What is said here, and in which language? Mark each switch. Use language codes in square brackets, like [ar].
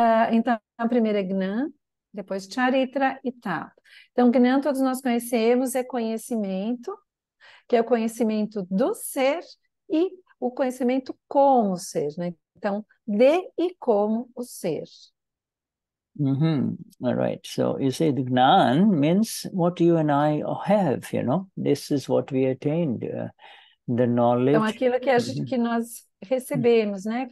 [pt] Então, a primeira é Gnan, depois Charitra e Tap. Então, Gnan, todos nós conhecemos, é conhecimento, que é o conhecimento do ser e o conhecimento como ser, né? Então, de e como o ser. [en] Mm-hmm. All right. So you say the Gnan means what you and I have, you know. This is what we attained, the knowledge. [pt] Então, aquilo que, a gente, que nós recebemos, né?